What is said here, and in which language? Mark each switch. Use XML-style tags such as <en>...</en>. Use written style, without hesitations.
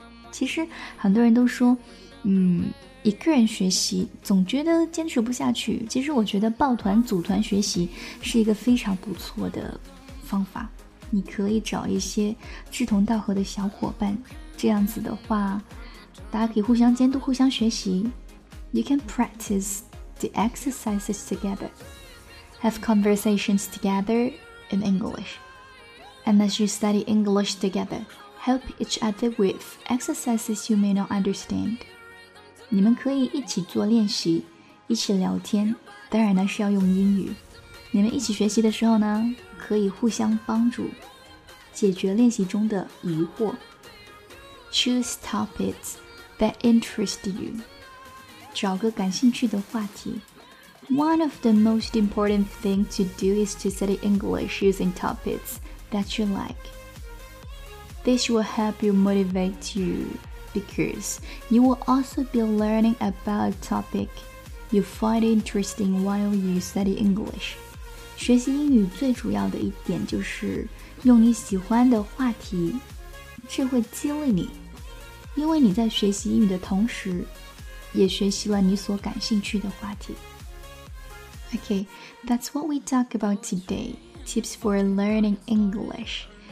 <zh>其实很多人都说，一个人学习总觉得坚持不下去。其实我觉得抱团组团学习是一个非常不错的方法。你可以找一些志同道合的小伙伴，这样子的话大家可以互相监督互相学习。</zh> <en>You can practice the exercises together, have conversations together in English, and as you study English together, help each other with exercises you may not understand.</en> <zh>你们可以一起做练习，一起聊天，当然呢是要用英语。你们一起学习的时候呢，可以互相帮助，解决练习中的疑惑。</zh> <en>Choose topics that interest you.</en> <zh>找个感兴趣的话题。</zh> <en>One of the most important things to do is to study English using topics that you like. This will help you motivate you because you will also be learning about a topic you find interesting while you study English.</en> <zh>学习英语最主要的一点就是用你喜欢的话题，这会激励你，因为你在学习英语的同时也学习了你所感兴趣的话题。</zh> <en>Okay, that's what we talk about today. Tips for learning English.</en>